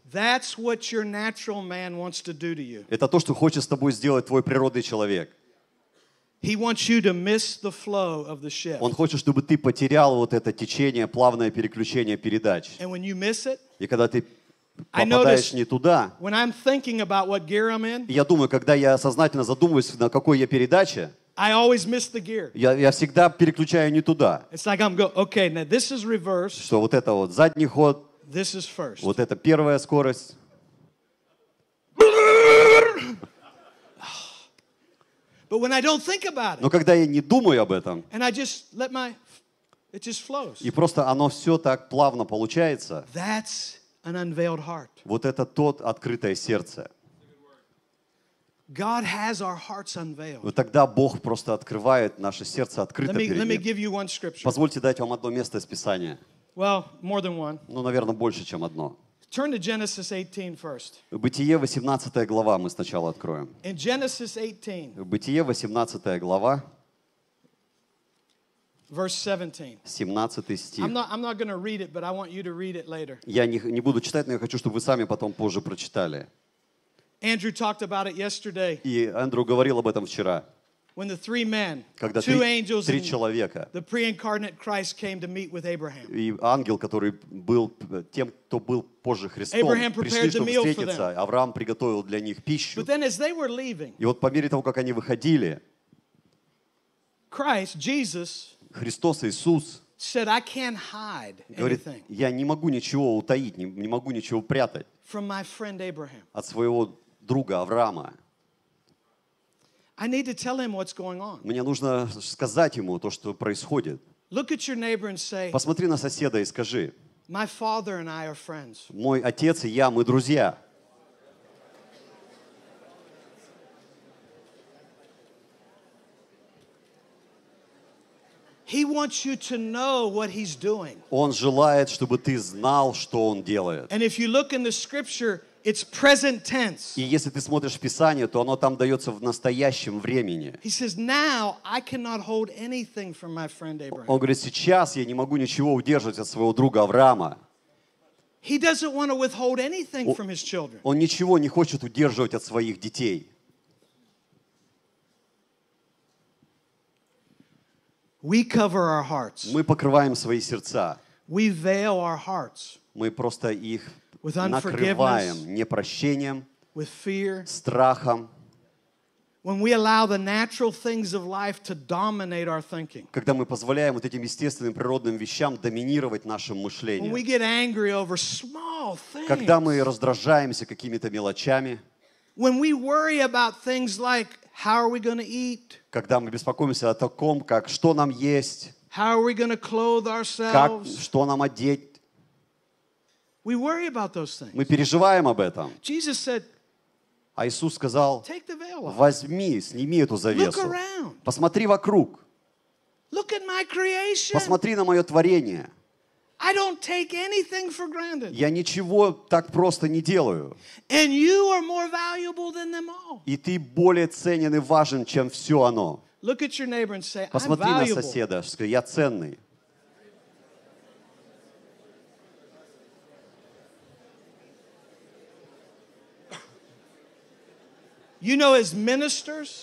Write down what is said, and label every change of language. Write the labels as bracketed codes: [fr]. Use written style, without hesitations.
[en] That's what your natural man wants to do to you. [ru] Это то, что хочет с тобой сделать твой природный человек. [en] He wants you to miss the flow of the shift. [ru] Он хочет, чтобы ты потерял вот это течение, плавное переключение передач. [en] And when you miss it, [ru] и когда ты попадаешь не туда. [en] When I'm thinking about what gear I'm in, [ru] я думаю, когда я сознательно задумываюсь, на какой я передаче, [en] I always miss the gear. [ru] Я всегда переключаю не туда. [en] It's like I'm going, okay, now this is reverse. [ru] Что вот это вот задний ход. [en] This is first. [ru] Вот это первая скорость. [en] But when I don't think about it, [ru] но когда я не думаю об этом, [en] and I just let my, it just flows. [ru] И просто оно все так плавно получается. [en] That's an unveiled heart. [ru] Вот это тот открытое сердце. [en] God has our hearts unveiled. [ru] Вот тогда Бог просто открывает наше сердце открыто перед Ним. [en] Let me give you one scripture. [ru] Позвольте дать вам одно место из Писания. [en] Well, more than one. [ru] Ну, наверное, больше, чем одно. [en] Turn to Genesis 18 first. [ru] Бытие 18 глава мы сначала откроем. [en] In Genesis 18. [ru] Бытие 18 глава. [en] Verse 17. 17 [ru] стих. Я не буду читать, но я хочу, чтобы вы сами потом позже прочитали. [en] Andrew talked about it yesterday. [ru] И Эндрю говорил об этом вчера. [en] When the three men, [ru] когда [en] two angels, [ru] три человека, [en] the pre-incarnate Christ came to meet with Abraham. [ru] И ангел, который был тем, кто был позже Христом, [en] Abraham [ru] пришли, [en] prepared [ru] чтобы [en] the meal [ru] встретиться. [en] For them. [ru] Авраам приготовил для них пищу. [en] But then as they were leaving, [ru] и вот по мере того, как они выходили, [en] Christ, Jesus, [ru] Христос Иисус, [en] said, I can't hide anything. [ru] Говорит, я не могу ничего утаить, не могу ничего прятать [en] from my friend Abraham. [ru] От своего друга Авраама. [en] I need to tell him what's going on. [ru] Мне нужно сказать ему то, что происходит. [en] Look at your neighbor and say, [ru] посмотри на соседа и скажи, [en] my father and I are friends. [ru] Мой отец и я, мы друзья. [en] He wants you to know what he's doing. [ru] Он желает, чтобы ты знал, что он делает. [en] And if you look in the scripture, it's present tense. [ru] И если ты смотришь Писание, то оно там дается в настоящем времени. [en] He says, "Now I cannot hold anything from my friend Abraham." [ru] Он говорит, сейчас я не могу ничего удерживать от своего друга Авраама. [en] He doesn't want to withhold anything from his children. [ru] Он ничего не хочет удерживать от своих детей. [en] We cover our hearts. [ru] Мы покрываем свои сердца. [en] We veil our hearts. [ru] Мы просто их накрываем непрощением, страхом. [en] When we allow the natural things of life to dominate our thinking. [ru] Когда мы позволяем вот этим естественным природным вещам доминировать нашим мышлением. [en] When we get angry over small things. [ru] Когда мы раздражаемся какими-то мелочами. [en] When we worry about things like how are we going to eat? [ru] Когда мы беспокоимся о таком, как что нам есть? [en] How are we going to clothe ourselves? [ru] Как, что нам одеть? [en] We worry about those things. [ru] Мы переживаем об этом. [en] Jesus said, [ru] а Иисус сказал, [en] take the veil off. [ru] Возьми, сними эту завесу. [en] Look around. [ru] Посмотри вокруг. [en] Look at my creation. [ru] Посмотри на мое творение. [en] I don't take anything for granted. [ru] Я ничего так просто не делаю. [en] And you are more valuable than them all. [ru] И ты более ценен и важен, чем все оно. [en] Look at your neighbor and say, [ru] посмотри [en] I'm valuable. [ru] На соседа, скажи, я ценный. [en] You know, as ministers,